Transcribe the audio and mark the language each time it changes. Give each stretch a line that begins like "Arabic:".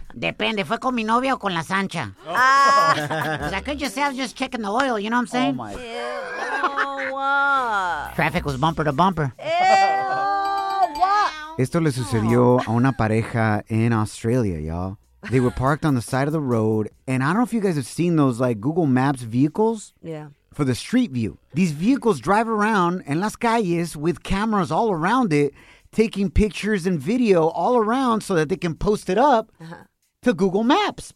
Spanish: Depende, ¿fue con mi novia o con la Sancha?
English: I could just say I was just checking the oil, you know what I'm saying? Oh, my. Ew. Traffic was bumper to bumper. Ew. What?
Spanish: Esto le sucedió a una pareja
English: in Australia, y'all. They were parked on the side of the road, and I don't know if you guys have seen those, like, Google Maps vehicles. Yeah. For the street view. These vehicles drive around
Spanish: en las calles
English: with cameras all around it, taking pictures and video all around so that they can post it up to Google Maps.